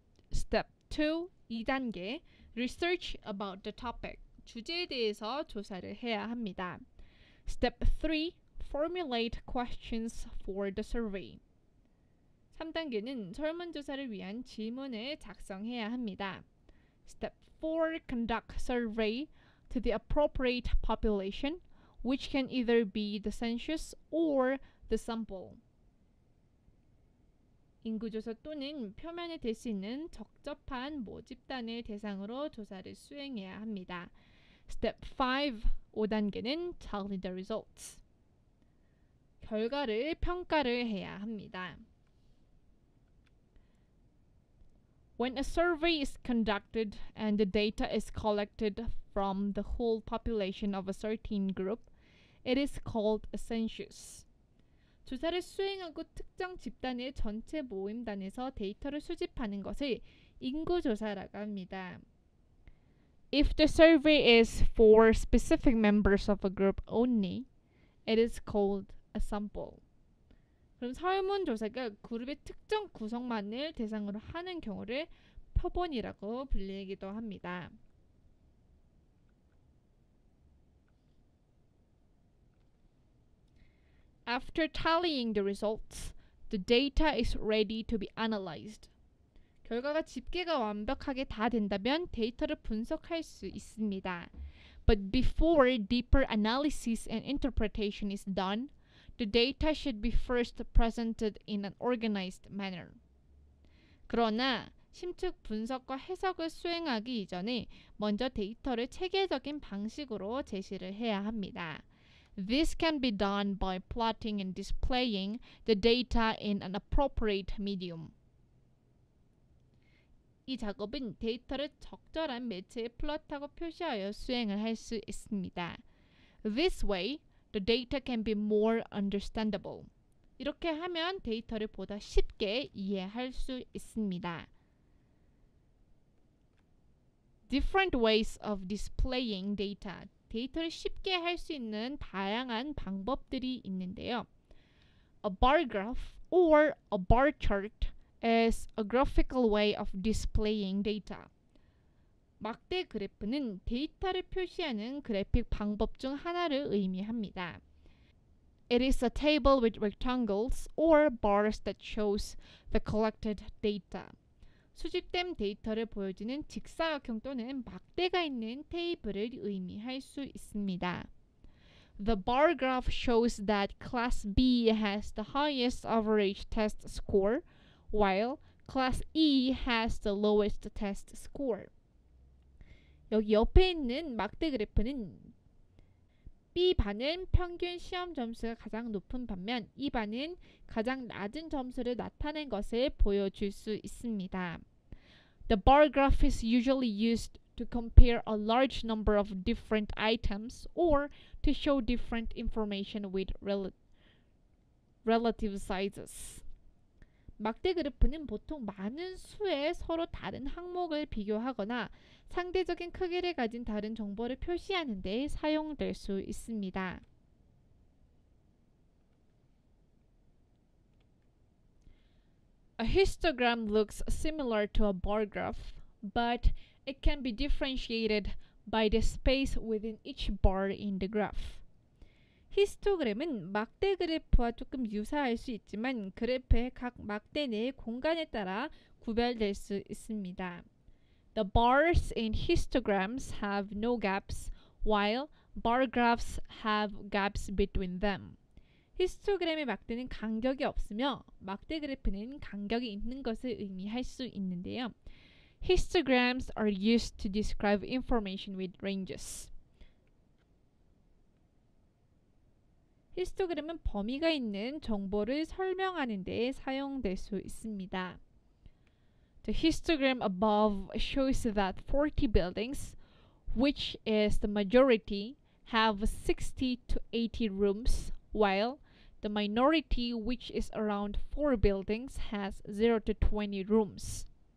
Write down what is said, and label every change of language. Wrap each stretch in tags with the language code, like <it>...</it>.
<en>Step 2.</en> <ko>2단계.</ko> <en>Research about the topic.</en> <ko>주제에 대해서 조사를 해야 합니다.</ko> <en>Step 3. Formulate questions for the survey.</en> <ko>3단계는 설문조사를 위한 질문을 작성해야 합니다.</ko> <en>Step 4. Conduct survey to the appropriate population, which can either be the census or the sample.</en> <ko>인구조사 또는 표면에 될 수 있는 적접한 모집단을 대상으로 조사를 수행해야 합니다.</ko> <en>Step 5.</en> <ko>5단계는</ko> <en>tally the results.</en> <ko>결과를 평가를 해야 합니다.</ko> <en>When a survey is conducted and the data is collected from the whole population of a certain group, it is called a census.</en> <ko>조사를 수행하고 특정 집단의 전체 모임단에서 데이터를 수집하는 것을 인구조사라고 합니다.</ko> <en>If the survey is for specific members of a group only, it is called a sample.</en> <ko>그럼 설문조사가 그룹의 특정 구성만을 대상으로 하는 경우를 표본이라고 불리기도 합니다.</ko> <en>After tallying the results, the data is ready to be analyzed.</en> <ko>결과가 집계가 완벽하게 다 된다면 데이터를 분석할 수 있습니다.</ko> <en>But before deeper analysis and interpretation is done, the data should be first presented in an organized manner.</en> <ko>그러나 심층 분석과 해석을 수행하기 이전에 먼저 데이터를 체계적인 방식으로 제시를 해야 합니다.</ko> <en>This can be done by plotting and displaying the data in an appropriate medium.</en> <ko>이 작업은 데이터를 적절한 매체에 플롯하고 표시하여 수행을 할 수 있습니다.</ko> <en>This way, the data can be more understandable.</en> <ko>이렇게 하면 데이터를 보다 쉽게 이해할 수 있습니다.</ko> <en>Different ways of displaying data.</en> <ko>데이터를 쉽게 할 수 있는 다양한 방법들이 있는데요.</ko> <en>A bar graph or a bar chart is a graphical way of displaying data.</en> <ko>막대 그래프는 데이터를 표시하는 그래픽 방법 중 하나를 의미합니다.</ko> <en>It is a table with rectangles or bars that shows the collected data.</en> <ko>수집된 데이터를 보여주는 직사각형 또는 막대가 있는 테이블을 의미할 수 있습니다.</ko> <en>The bar graph shows that class B has the highest average test score, while class E has the lowest test score.</en> <ko>여기 옆에 있는 막대 그래프는 B반은 평균 시험 점수가 가장 높은 반면 E반은 가장 낮은 점수를 나타낸 것을 보여줄 수 있습니다.</ko> <en>The bar graph is usually used to compare a large number of different items or to show different information with relative sizes.</en> <ko>막대 그래프는 보통 많은 수의 서로 다른 항목을 비교하거나 상대적인 크기를 가진 다른 정보를 표시하는 데 사용될 수 있습니다.</ko> <en>A histogram looks similar to a bar graph, but it can be differentiated by the space within each bar in the graph.</en> <ko>히스토그램은 막대 그래프와 조금 유사할 수 있지만 그래프의 각 막대 내 공간에 따라 구별될 수 있습니다.</ko> <en>The bars in histograms have no gaps, while bar graphs have gaps between them.</en> <ko>히스토그램의 막대는 간격이 없으며 막대 그래프는 간격이 있는 것을 의미할 수 있는데요.</ko> <en>Histograms are used to describe information with ranges.</en> <ko>히스토그램은 범위가 있는 정보를 설명하는 데 사용될 수 있습니다.</ko> <en>The histogram above shows that 40 buildings, which is the majority, have 60 to 80 rooms, while the minority, which is around 4 buildings, has 0 to 20 rooms.</en>